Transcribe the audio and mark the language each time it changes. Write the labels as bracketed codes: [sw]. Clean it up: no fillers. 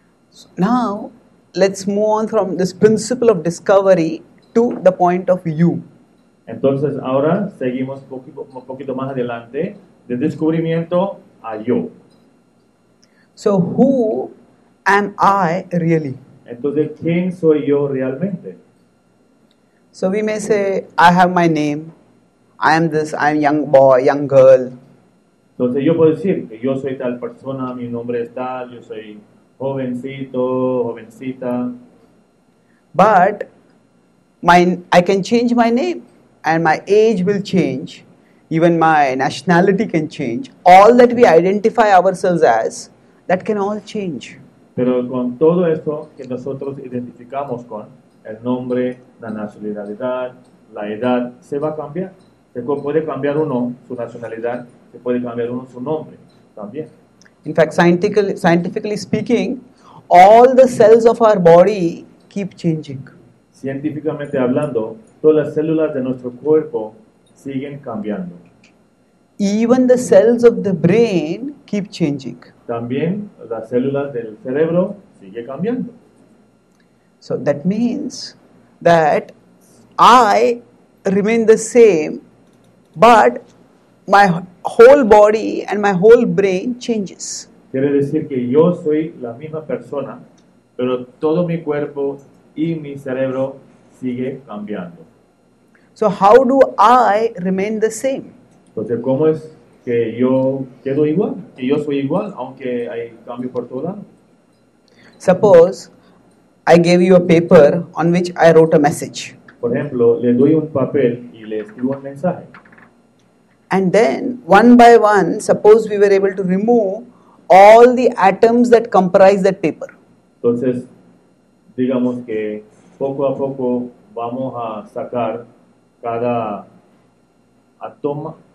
[en] So now, let's move on from this principle of discovery to the point of view. [es] Entonces ahora seguimos un poquito más adelante de descubrimiento a yo. [en] So, who am I really? [es] Entonces, ¿quién soy yo realmente? [en] So, we may say, I have my name, I am this, I am young boy, young girl. [es] Entonces yo puedo decir que yo soy tal persona, mi nombre es tal, yo soy jovencito, jovencita. [en] But I can change my name and my age will change. Even my nationality can change. All that we identify ourselves as, that can all change. [es] Pero con todo esto que nosotros identificamos con el nombre, la nacionalidad, la edad, se va a cambiar. Se puede cambiar uno su nacionalidad, se puede cambiar uno su nombre también. [en] In fact, scientifically speaking, all the cells of our body keep changing. [es] Científicamente hablando, todas las células de nuestro cuerpo siguen cambiando. [en] Even the cells of the brain keep changing. [es] También las células del cerebro sigue cambiando. [en] So that means that I remain the same, but my whole body and my whole brain changes. [es] Quiere decir que yo soy la misma persona, pero todo mi cuerpo y mi cerebro sigue cambiando. [en] So how do I remain the same? [es] Entonces, ¿cómo es que yo quedo igual? Que yo soy igual, aunque hay cambio por todo lado. [en] Suppose I gave you a paper on which I wrote a message. [es] Por ejemplo, le doy un papel y le escribo un mensaje. [en] And then, one by one, suppose we were able to remove all the atoms that comprise that paper. [es] Entonces, digamos que poco a poco vamos a sacar cada átomos.